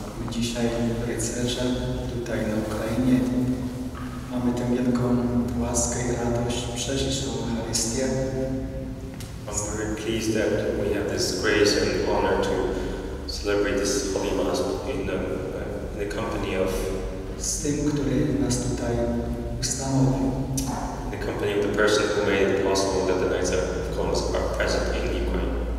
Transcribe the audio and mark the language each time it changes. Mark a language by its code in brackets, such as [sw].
[pl] dzisiaj w rycerze, tutaj na Ukrainie. Mamy tę wielką łaskę i radość przeżyć tę Eucharystię. [en] I'm very pleased that we have this grace and honor to celebrate this Holy Mass in the company of [pl] z tym, który nas tutaj ustanowił. [en] The company of the person who made it possible that the Knights of Columba are present in Ukraine.